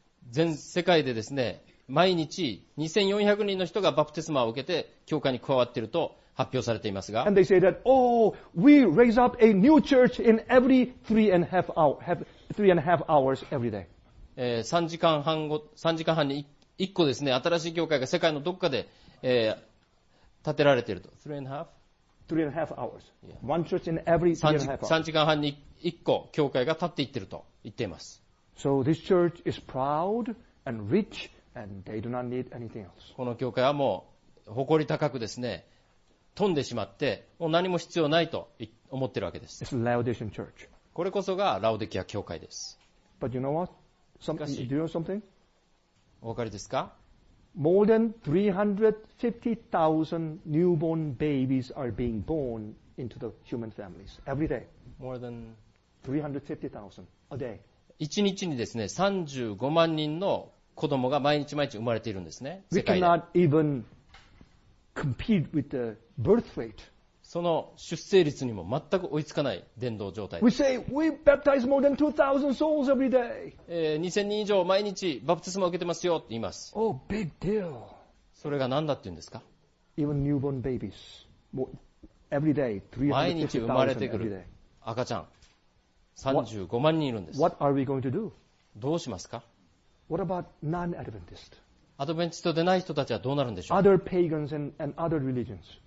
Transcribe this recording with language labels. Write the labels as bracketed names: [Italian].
[Japanese] 全世界でですね、毎日2400人の人がバプテスマを受けて教会に加わっていると発表されていますが、 [English] And they say that, we raise up a new church in every three and a half hours every day. [Japanese] 3時間半に1個ですね、新しい教会が世界のどこかで、建てられていると。 [English] 3 and a half hours. Yeah. One church in every [Japanese] 3時間半に1個教会が建っていっていると言っています。 [English] So this church is proud and rich and they do not need anything else. [Japanese] この教会はもう誇り高くですね、飛んでしまって、もう何も必要ないと思っているわけです。 [English] It's Laodicean church. [Japanese] これこそがラオデキア教会です。 [English] But you know what? Do you know something? [Japanese] お分かりですか？ [English] More than 350,000 newborn babies are being born into the human families every day. More than 350,000 a day. [Japanese] 1日にですね、35万人の子供が毎日毎日生まれているんですね。 [English] We cannot even compete with the birth rate. [Japanese] その出生率にも全く追いつかない伝道状態。 [English] We say we baptize more than 2,000 souls every day. [Japanese] 2000人以上毎日バプテスマを受けてますよって言います。 [English] Oh, big deal. [Japanese] それが何だって言うんですか？ [English] Even newborn babies, every day, [Japanese] 毎日生まれてくる赤ちゃん、35万人いるんです。 [English] What are we going to do? [Japanese] どうしますか？ [English] What about non-Adventist? [Japanese] アドベンチストでない人たちはどうなるんでしょう？ [English] Other pagans and other religions.